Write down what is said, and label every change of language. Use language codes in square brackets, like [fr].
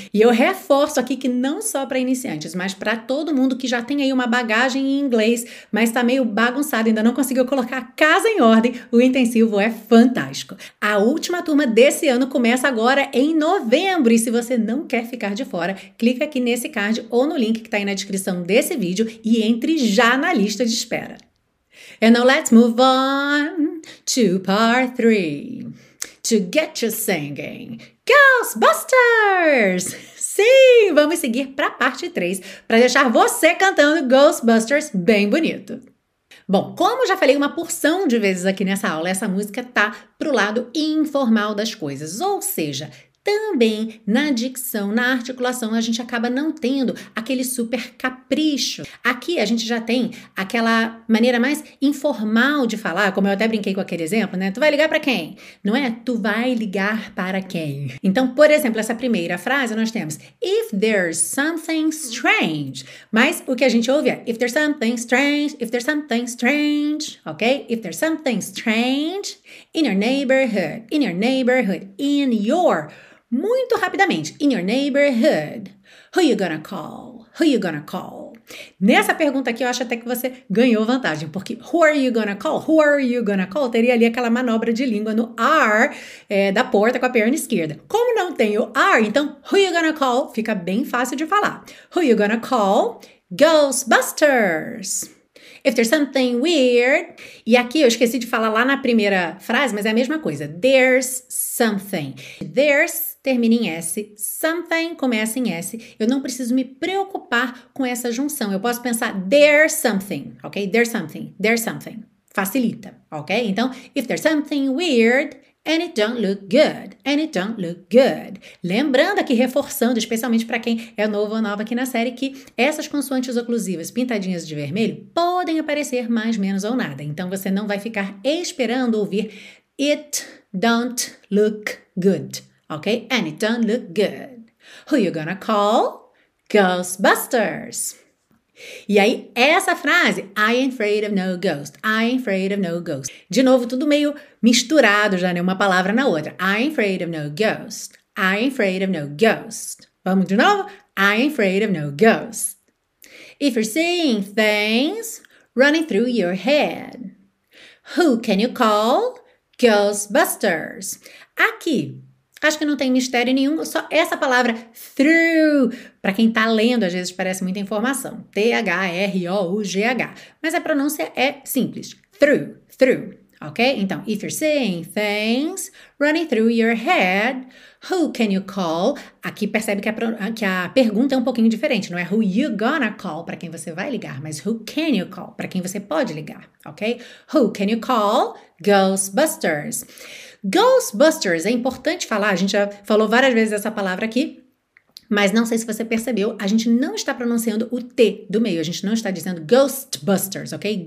[pt] E eu reforço aqui que não só para iniciantes, mas para todo mundo que já tem aí uma bagagem em inglês, mas está meio bagunçado, ainda não conseguiu colocar a casa em ordem, o intensivo é fantástico. A última turma desse ano começa agora em novembro. E se você não quer ficar de fora, clica aqui nesse card ou no link que está aí na descrição desse vídeo e entre já na lista de espera. [en] And now let's move on to part 3. To get you singing. Ghostbusters! [pt] Sim, vamos seguir para a parte 3 para deixar você cantando Ghostbusters bem bonito. Bom, como já falei uma porção de vezes aqui nessa aula, essa música tá pro lado informal das coisas, ou seja, também na dicção, na articulação, a gente acaba não tendo aquele super capricho. Aqui a gente já tem aquela maneira mais informal de falar, como eu até brinquei com aquele exemplo, né? Tu vai ligar para quem? Não é? Tu vai ligar para quem? Então, por exemplo, essa primeira frase nós temos [en] if there's something strange. [pt] Mas o que a gente ouve é [en] if there's something strange, [pt] if there's something strange, ok? [en] If there's something strange in your neighborhood, in your... [pt] Muito rapidamente, [en] in your neighborhood, who you gonna call? Who you gonna call? [pt] Nessa pergunta aqui, eu acho até que você ganhou vantagem, porque [en] who are you gonna call? Who are you gonna call? [pt] Teria ali aquela manobra de língua no R da porta com a perna esquerda. Como não tem o R, então [en] who you gonna call? [pt] Fica bem fácil de falar. [en] Who you gonna call? [pt] Ghostbusters. [en] If there's something weird. [pt] E aqui eu esqueci de falar lá na primeira frase, mas é a mesma coisa. [en] There's something. There's [pt] termina em S. Something começa em S. Eu não preciso me preocupar com essa junção. Eu posso pensar [en] there's something, ok? There's something. There's something. [pt] Facilita, ok? Então, [en] if there's something weird, and it don't look good. And it don't look good. [pt] Lembrando aqui, reforçando, especialmente para quem é novo ou nova aqui na série, que essas consoantes oclusivas pintadinhas de vermelho podem aparecer mais, menos ou nada. Então, você não vai ficar esperando ouvir [en] it don't look good, [pt] ok? [en] And it don't look good. Who you gonna call? Ghostbusters. [pt] E aí, essa frase, [en] I ain't afraid of no ghost, I ain't afraid of no ghost. [pt] De novo, tudo meio misturado já, né? Uma palavra na outra. [en] I ain't afraid of no ghost, I ain't afraid of no ghost. [pt] Vamos de novo? [en] I ain't afraid of no ghost. If you're seeing things running through your head, who can you call? [pt] Ghostbusters. Aqui. Acho que não tem mistério nenhum, só essa palavra through, para quem tá lendo, às vezes parece muita informação. T-H-R-O-U-G-H. Mas a pronúncia é simples. [en] Through, through, ok? [pt] Então, [en] if you're seeing things running through your head, who can you call? [pt] Aqui percebe que a pergunta é um pouquinho diferente, não é [en] who you gonna call, [pt] para quem você vai ligar, mas [en] who can you call, [pt] para quem você pode ligar, ok? [en] Who can you call? [pt] Ghostbusters. Ghostbusters, é importante falar, a gente já falou várias vezes essa palavra aqui, mas não sei se você percebeu, a gente não está pronunciando o T do meio, a gente não está dizendo Ghostbusters, ok?